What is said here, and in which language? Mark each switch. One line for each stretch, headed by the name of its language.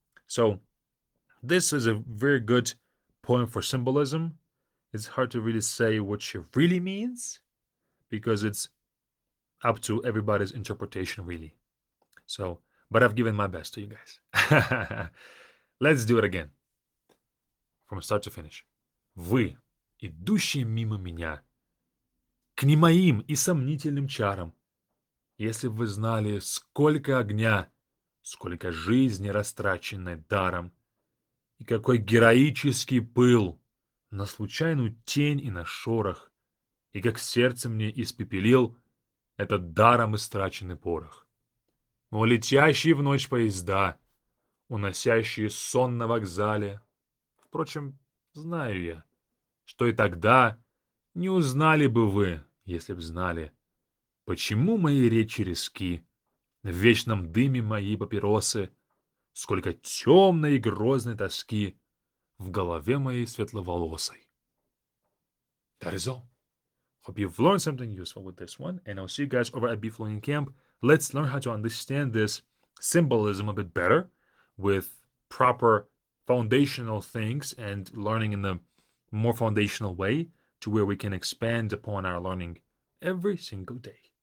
English: So this is a very good poem for symbolism. It's hard to really say what she really means because it's up to everybody's interpretation, really. So, but I've given my best to you guys. Let's do it again from start to finish.
Russian: Вы, идущие мимо меня, к немоим и сомнительным чарам. Если бы вы знали, сколько огня, сколько жизни растраченной даром, и какой героический пыл на случайную тень и на шорох, и как сердце мне испепелил этот даром истраченный порох. Но летящие в ночь поезда, уносящие сон на вокзале, впрочем, знаю я, что и тогда не узнали бы вы, если б знали, почему мои речи резки, в вечном дыме мои папиросы, сколько темной и грозной тоски в голове моей светловолосой.
English: That is all. Hope you've learned something useful with this one, and I'll see you guys over at BeFluent Camp. Let's learn how to understand this symbolism a bit better with proper foundational things and learning in the more foundational way to where we can expand upon our learning every single day.